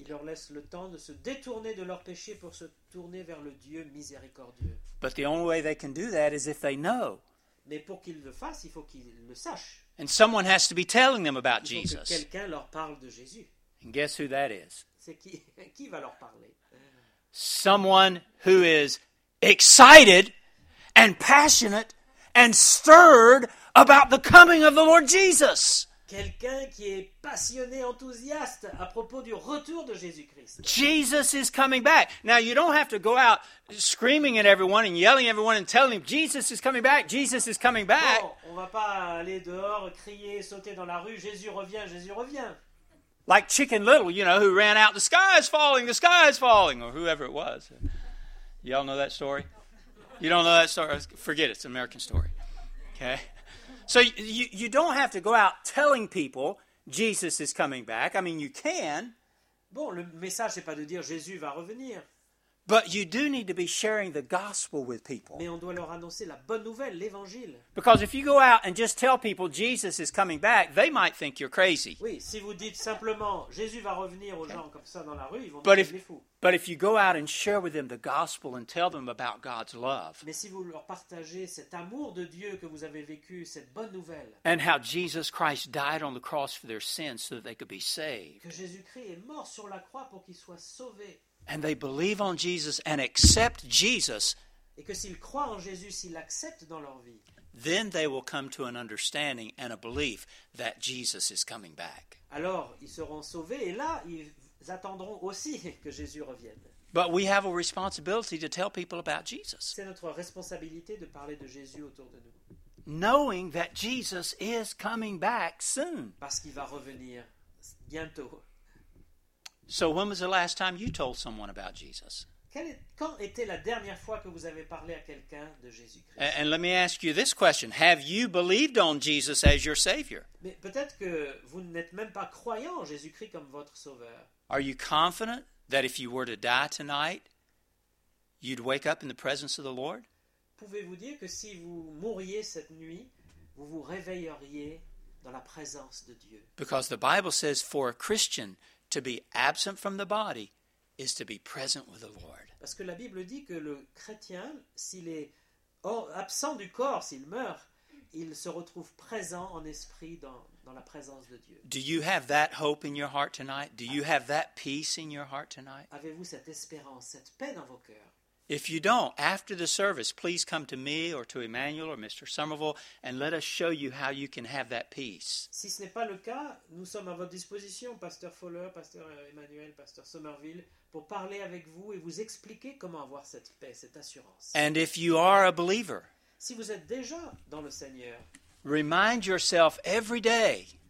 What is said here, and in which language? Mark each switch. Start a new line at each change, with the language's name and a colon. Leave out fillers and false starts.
French: Il leur laisse le temps de se détourner de leur péché pour se tourner vers le Dieu miséricordieux.
English: But the only way they can do that is if they know.
French: Mais pour qu'ils le fassent, il faut qu'ils le sachent.
English: And someone has to be telling them about Jesus.
French: Que quelqu'un leur parle de Jésus.
English: And guess who that is?
French: C'est qui va leur parler?
English: Someone who is excited and passionate and stirred about the coming of the Lord Jesus.
French: Quelqu'un qui est passionné, enthousiaste à propos du retour de Jésus-Christ.
English: Jesus is coming back. Now, you don't have to go out screaming at everyone and yelling at everyone and telling them, Jesus is coming back, Jesus is coming back.
French: Bon, on va pas aller dehors, crier, sauter dans la rue, Jésus revient, Jésus revient.
English: Like Chicken Little, you know, who ran out, the sky is falling, or whoever it was. Y'all know that story? You don't know that story? Forget it, it's an American story. Okay? So you don't have to go out telling people Jesus is coming back. I mean, you can.
French: Bon, le message c'est pas de dire Jésus va revenir.
English: But you do need to be sharing the gospel with people.
French: Mais on doit leur annoncer la bonne nouvelle, l'évangile.
English: Because if you go out and just tell people Jesus is coming back, they might think you're crazy.
French: Oui, si vous dites simplement Jésus va revenir aux gens comme ça dans la rue, ils vont penser fou.
English: But if you go out and share with them the gospel and tell them about God's love.
French: Mais si vous leur partagez cet amour de Dieu que vous avez vécu, cette bonne nouvelle.
English: And how Jesus Christ died on the cross for their sins so that they could be saved.
French: Que Jésus-Christ est mort sur la croix pour qu'ils soient sauvés.
English: And they believe on Jesus and accept Jesus.
French: Et que s'ils croient en Jésus, s'ils l'acceptent dans leur vie.
English: Then they will come to an understanding and a belief that Jesus is coming back.
French: Alors, ils seront sauvés et là, ils attendront aussi que Jésus revienne.
English: But we have a responsibility to tell people about Jesus.
French: C'est notre responsabilité de parler de Jésus autour de nous.
English: Knowing that Jesus is coming back soon.
French: Parce qu'il va revenir bientôt.
English: So when was the last time you told someone about Jesus?
French: Quand était la dernière fois que vous avez parlé à quelqu'un de Jésus-Christ?
English: And let me ask you this question. Have you believed on Jesus as your Savior?
French: Mais peut-être que vous n'êtes même pas croyant en Jésus-Christ comme votre Sauveur.
English: Are you confident that if you were to die tonight, you'd wake up in the presence of the Lord?
French: Pouvez-vous dire que si vous mouriez cette nuit, vous vous réveilleriez dans la présence de Dieu?
English: Because the Bible says for a Christian, to be absent from the body is to be present with the Lord.
French: Parce que la Bible dit que le chrétien, s'il est absent du corps, s'il meurt, il se retrouve présent en esprit dans la présence de Dieu.
English: Do you have that hope in your heart tonight? Do you have that peace in your heart tonight?
French: Avez-vous cette espérance, cette paix dans vos cœurs?
English: If you don't, after the service, please come to me or to Emmanuel or Mr. Somerville and let us show you how you can have that peace.
French: Si ce n'est pas le cas, nous sommes à votre disposition, Pasteur Fowler, Pasteur Emmanuel, Pasteur Somerville, pour parler avec vous et vous expliquer comment avoir cette paix, cette assurance.
English: And if you are a believer,
French: si vous êtes déjà dans le Seigneur,
English: remind yourself every day.